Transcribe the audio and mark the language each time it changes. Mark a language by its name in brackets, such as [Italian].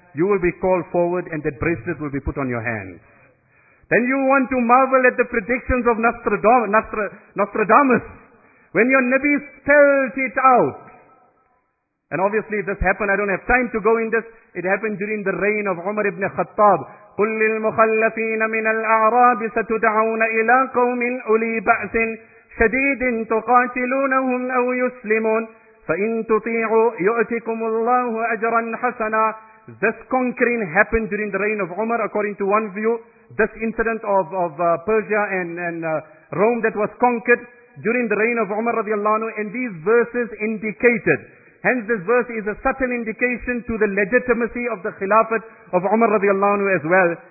[English] You will be called forward and that bracelet will be put on your hands. Then you want to marvel at the predictions of Nostradamus. When your Nabi spelled it out. And obviously this happened, I don't have time to go in this. It happened during the reign of Umar ibn Khattab. [Arabic] قل للمخلفين من الأعراب ستدعون إلى قوم أولي بأس شديد تقاتلونهم أو يسلمون فإن تطيعوا يؤتكم الله أجرا حسنا. [English] This conquering happened during the reign of Umar according to one view. This incident of Persia and Rome that was conquered during the reign of Umar [Arabic] رضي الله عنه, [English] and these verses indicated. Hence this verse is a subtle indication to the legitimacy of the Khilafat of Umar radiallahu anhu as well.